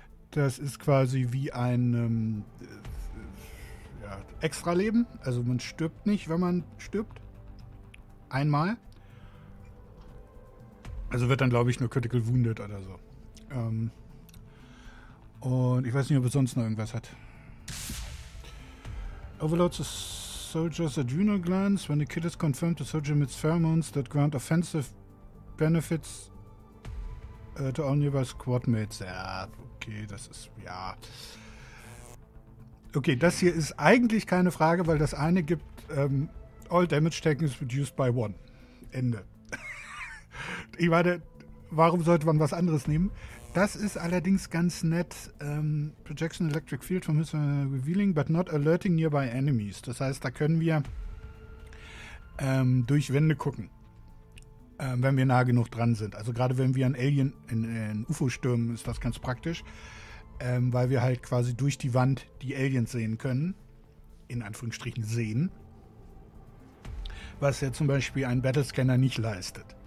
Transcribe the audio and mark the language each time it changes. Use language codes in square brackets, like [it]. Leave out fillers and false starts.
[de] Das ist quasi wie ein Extra-Leben. Also man stirbt nicht, wenn man stirbt. Einmal. Also wird dann, glaube ich, nur critical wounded oder so. Und ich weiß nicht, ob er sonst noch irgendwas hat. [en] Overloads the soldier's adrenal glands. When the kid is confirmed, the soldier emits pheromones that grant offensive benefits to all nearby squad mates. [de] Ja, okay, das ist, ja. Okay, das hier ist eigentlich keine Frage, weil das eine gibt, [en] all damage taken is reduced by one. [de] Ende. Ich meine, warum sollte man was anderes nehmen? Das ist allerdings ganz nett. [en] Projection electric field from his revealing, but not alerting nearby enemies. [de] Das heißt, da können wir durch Wände gucken, wenn wir nah genug dran sind. Also gerade wenn wir einen Alien in UFO stürmen, ist das ganz praktisch, weil wir halt quasi durch die Wand die Aliens sehen können. In Anführungsstrichen sehen. Was ja zum Beispiel ein Battlescanner nicht leistet.